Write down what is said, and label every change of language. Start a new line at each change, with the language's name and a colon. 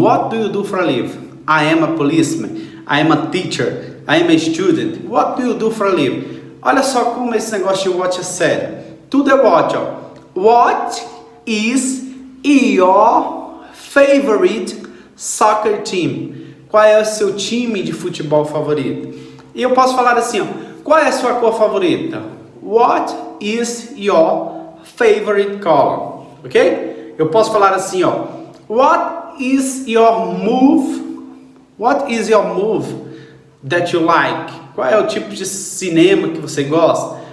English: What do you do for a living? I am a policeman, I am a teacher, I am a student. What do you do for a living?
Portuguese: Olha só como esse negócio de what é sério. Tudo é what, ó.
English: What is your favorite soccer team?
Portuguese: Qual é o seu time de futebol favorito? E eu posso falar assim, ó. Qual é a sua cor favorita?
English: What is your favorite color? Ok?
Portuguese: Eu posso falar assim, ó.
English: What is your move? What is your move that you like?
Portuguese: Qual é o tipo de cinema que você gosta?